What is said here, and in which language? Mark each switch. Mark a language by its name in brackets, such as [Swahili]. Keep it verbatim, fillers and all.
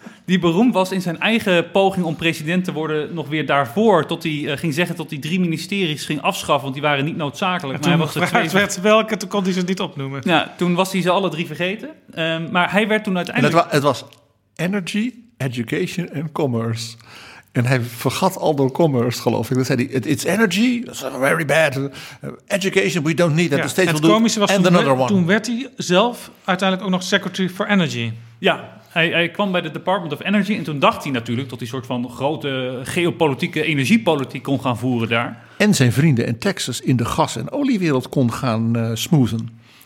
[Dutch] Die beroemd was in zijn eigen poging om president te worden, nog weer daarvoor, tot hij uh, ging zeggen dat hij drie ministeries ging afschaffen, want die waren niet noodzakelijk. En toen maar hij was gevraagd werd welke, toen kon hij ze niet opnoemen. Ja, toen was hij ze alle drie vergeten. Um, maar hij werd toen uiteindelijk... Het was, het was Energy, Education en Commerce. En hij vergat al door commerce, geloof ik. Dan zei hij, [English] it's energy, it's very bad. Education, we don't need that. [Dutch] Ja, het komische was, toen, toen werd hij zelf uiteindelijk ook nog Secretary for Energy. Ja. Hij, hij kwam bij de Department of Energy en toen dacht hij natuurlijk dat hij een soort van grote geopolitieke energiepolitiek kon gaan voeren daar. En zijn vrienden in Texas in de gas- en oliewereld kon gaan uh, smoothen.